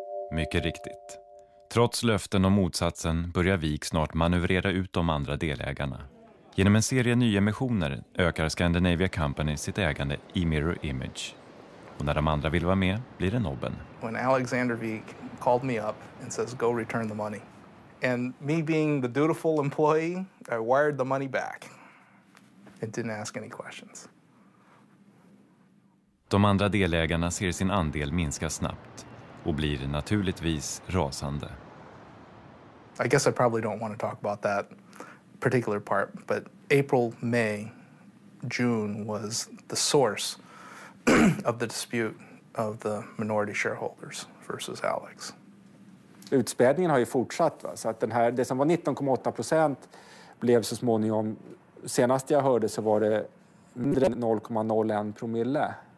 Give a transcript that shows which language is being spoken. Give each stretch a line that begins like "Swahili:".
Swedish: Mycket riktigt. Trots löften och motsatsen börjar Wik snart manövrera ut de andra delägarna. Genom en serie nyemissioner ökar Scandinavia Company sitt ägande i Mirror Image. Och när de andra vill vara med blir det nobben.
English: When Alexander Wik called me up and says, go return the money. And me being the dutiful employee, I wired the money back. And didn't ask any questions.
Swedish: De andra delägarna ser sin andel minska snabbt och blir naturligtvis rasande.
English: I guess I probably don't want to talk about that particular part, but April, May, June was the source of the dispute of the minority shareholders versus Alex.
Swedish: Utspädningen har ju fortsatt, va? Så att den här, det som var 19,8% blev så småningom, senast jag hörde så var det mindre 0,01 promille.